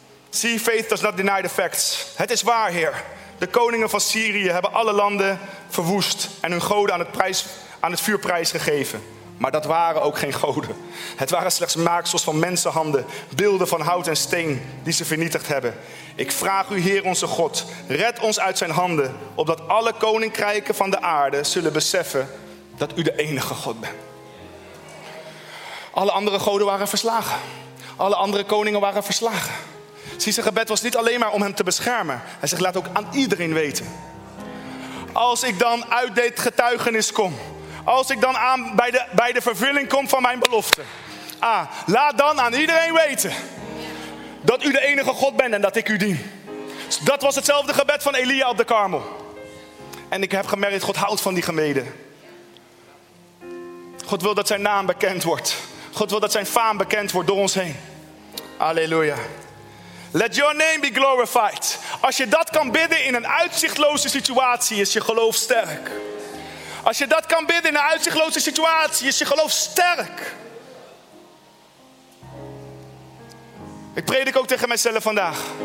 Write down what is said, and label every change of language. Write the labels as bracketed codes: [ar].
[en] See, faith does not deny the facts. [nl] Het is waar, Heer. De koningen van Syrië hebben alle landen verwoest en hun goden aan het vuur prijs gegeven. Maar dat waren ook geen goden. Het waren slechts maaksels van mensenhanden, beelden van hout en steen die ze vernietigd hebben. Ik vraag u, Heer onze God, red ons uit zijn handen, opdat alle koninkrijken van de aarde zullen beseffen dat u de enige God bent. Alle andere goden waren verslagen. Alle andere koningen waren verslagen. Zie, zijn gebed was niet alleen maar om hem te beschermen. Hij zegt, laat ook aan iedereen weten. Als ik dan uit dit getuigenis kom. Als ik dan aan bij de vervulling kom van mijn belofte. Laat dan aan iedereen weten. Dat u de enige God bent en dat ik u dien. Dat was hetzelfde gebed van Elia op de Karmel. En ik heb gemerkt, God houdt van die gemeente. God wil dat zijn naam bekend wordt. God wil dat zijn faam bekend wordt door ons heen. Halleluja. [en] Let your name be glorified. [nl] Als je dat kan bidden in een uitzichtloze situatie, is je geloof sterk. Als je dat kan bidden in een uitzichtloze situatie, is je geloof sterk. Ik predik ook tegen mezelf vandaag.